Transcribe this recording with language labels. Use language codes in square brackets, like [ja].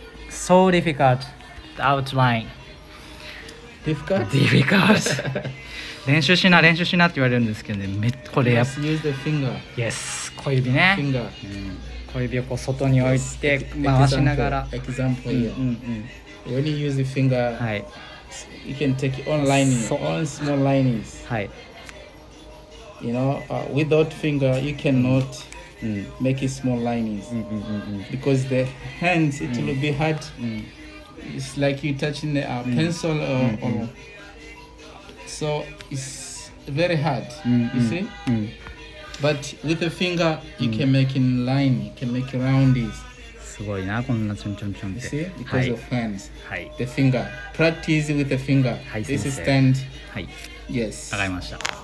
[en] So difficult outline. Difficult? [ja] 練習しな練習しなって言われるんですけどね。これやっ [en] ぱ Use the finger. [ja] Yes. 小指ね。 [en] Finger. [ja] うん、小指をこう外に置いて回しながら。 [en] Example. When you use the finger,、 [ja] はい、 [en] you can take on lining, on small linings. [ja] はい。 [en] You know,、without finger, you cannot. Make it small linings because the hands it will be hard. It's like you touching a pencil or, or so it's very hard. You see, but with a finger you can make in line. You can make roundies. [ja] すごいなこんなちょんちょんちょんって。 [en] See because of hands. [ja] はい。 [en] The finger. Practice with the finger. [ja] はい。 [en] This is stand. [ja] はい。 [en] Yes. [ja] わかりました。